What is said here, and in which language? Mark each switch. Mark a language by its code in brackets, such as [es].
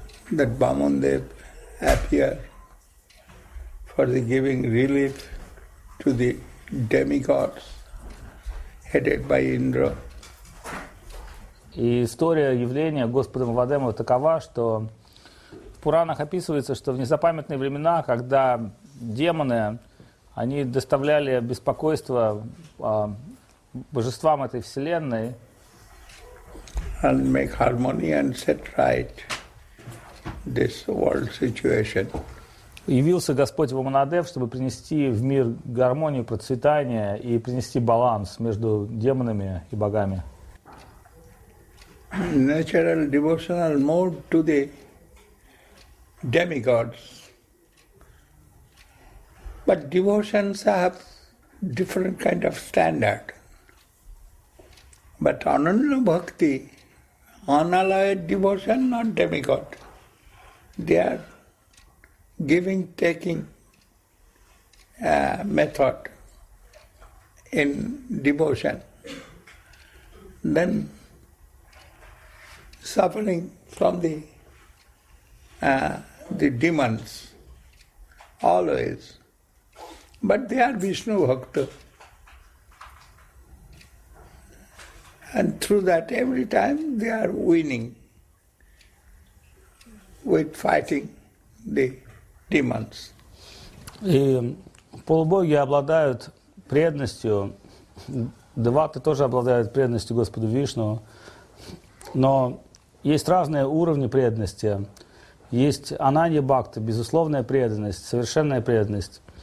[en] That Vamandeva appeared for the giving relief to the demigods headed by Indra. [ru] И история явления Господом Вадема такова, что в Пуранах описывается, что в незапамятные времена, когда демоны, они доставляли беспокойство божествам этой вселенной. [en] And make harmony and set right this world situation. [ru] Явился Господь Вамандев, чтобы принести в мир гармонию, процветание и принести баланс между демонами и богами. [en] Natural devotional mode to the demigods. But devotions have different kind of standard. But Ananya Bhakti, unalloyed devotion, not demigod. They are giving, taking method in devotion. Then suffering from the demons always, but they are Vishnu Bhakta, and through that every time they are winning with fighting the demons. [ru] И полубоги обладают преданностью, деваты тоже обладают преданностью Господу Вишну, но есть разные уровни преданности. Есть ананья бхакта, безусловная преданность, совершенная преданность.